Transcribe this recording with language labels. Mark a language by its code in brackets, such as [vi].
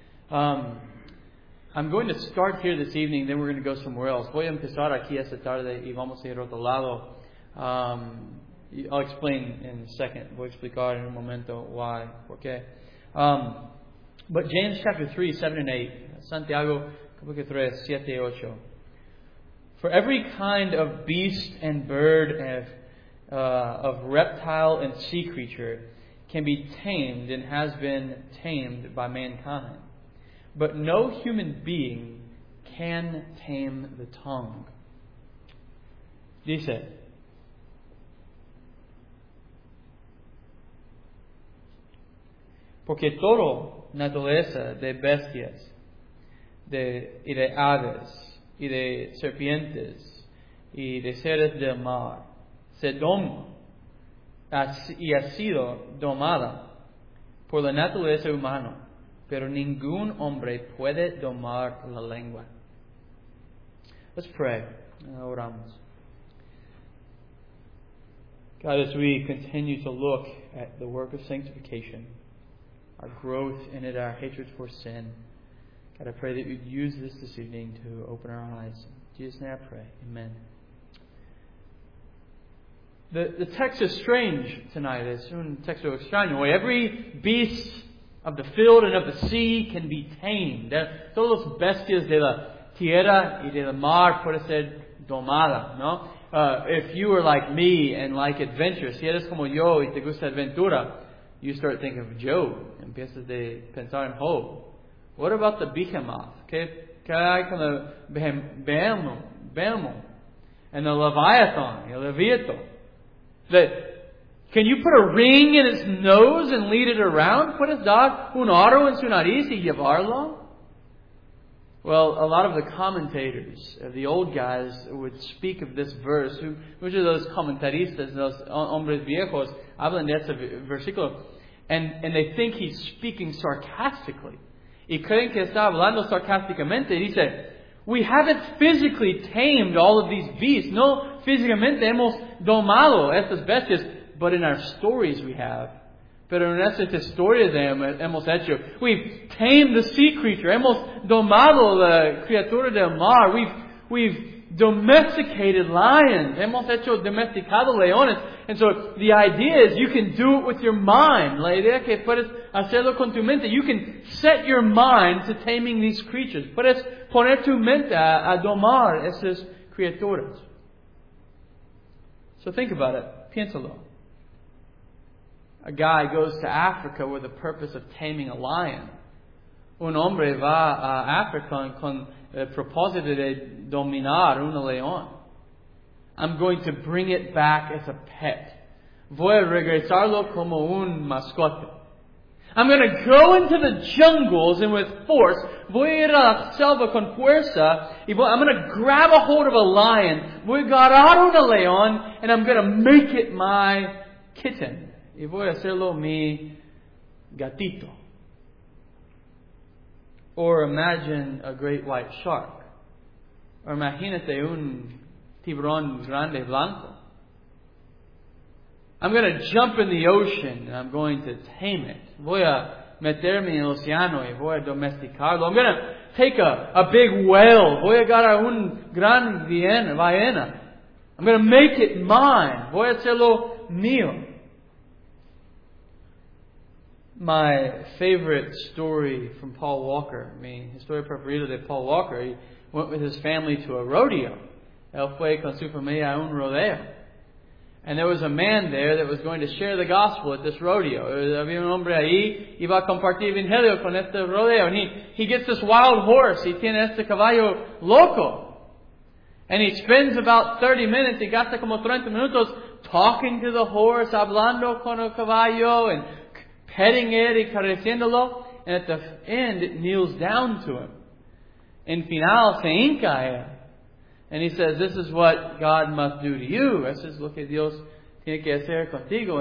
[en] I'm going to start here this evening, then we're going to go somewhere else. [es] Voy a empezar aquí esta tarde y vamos a ir a otro lado. [en] I'll explain in a second. [es] Voy a explicar en un momento why, por qué. [en] But James chapter 3, 7 and 8. [es] Santiago capítulo 3, 7 y 8. [en] For every kind of beast and bird of reptile and sea creature can be tamed and has been tamed by mankind. But no human being can tame the tongue. [es] Dice, porque todo naturaleza de bestias y de aves y de serpientes y de seres del mar se doma y ha sido domada por la naturaleza humana, pero ningún hombre puede domar la lengua. [en] Let's pray. [es] Oramos. [en] God, as we continue to look at the work of sanctification, our growth in it, our hatred for sin, God, I pray that you'd use this evening to open our eyes. In Jesus' name I pray. Amen. The text is strange tonight. It's [es] un texto extraño. [en] Every beast of the field and of the sea can be tamed. [es] Todos los bestias de la tierra y de la mar puede ser domada, ¿no? [en] If you were like me and like adventure, [es] si eres como yo y te gusta aventura, [en] you start thinking of Job. [es] Empiezas de pensar en Job. [en] What about the behemoth? [es] ¿Qué hay con la behemoth? [en] And the leviathan, [es] el leviato. [en] Can you put a ring in its nose and lead it around? [es] ¿Puedes dar un aro en su nariz y llevarlo? [en] Well, a lot of the commentators, the old guys, would speak of this verse. [es] Muchos de los comentaristas, los hombres viejos, hablan de este versículo. [en] And they think he's speaking sarcastically. [es] Y creen que está hablando sarcásticamente. [en] Dice, we haven't physically tamed all of these beasts. [es] No, físicamente hemos domado estas bestias. [en] But in our stories we have. [es] Pero en esas historias hemos hecho. [en] We've tamed the sea creature. [es] Hemos domado la criatura del mar. [en] We've domesticated lions. [es] Hemos hecho domesticado leones. [en] And so the idea is you can do it with your mind. [es] La idea que puedes hacerlo con tu mente. [en] You can set your mind to taming these creatures. [es] Puedes poner tu mente a domar esas criaturas. [en] So think about it. [es] Piénsalo. [en] A guy goes to Africa with the purpose of taming a lion. [es] Un hombre va a África con el propósito de dominar un león. [en] I'm going to bring it back as a pet. [es] Voy a regresarlo como un mascote. [en] I'm going to go into the jungles and with force, [es] voy a ir a la selva con fuerza, [en] I'm going to grab a hold of a lion, [es] voy a agarrar un león, [en] and I'm going to make it my kitten. [es] Y voy a hacerlo mi gatito. [en] Or imagine a great white shark. Or [es] imagínate un tiburón grande blanco. [en] I'm going to jump in the ocean and I'm going to tame it. [es] Voy a meterme en el océano y voy a domesticarlo. [en] I'm going to take a big whale. [es] Voy a agarrar un gran ballena. [en] I'm going to make it mine. [es] Voy a hacerlo mío. [en] My favorite story from Paul Walker, [es] mi historia preferida de Paul Walker, [en] he went with his family to a rodeo. [es] Él fue con su familia a un rodeo. [en] And there was a man there that was going to share the gospel at this rodeo. [es] Había un hombre ahí, iba a compartir evangelio con este rodeo. [en] And he gets this wild horse, he [es] tiene este caballo loco. [en] And he spends about 30 minutes, [es] y gasta como 30 minutos, [en] talking to the horse, [es] hablando con el caballo, [en] and petting it [es] y careciéndolo, [en] and at the end it kneels down to him. [es] En final se hinca a él. [en] And he says, this is what God must do to you. [es] Eso es lo que Dios tiene que hacer contigo.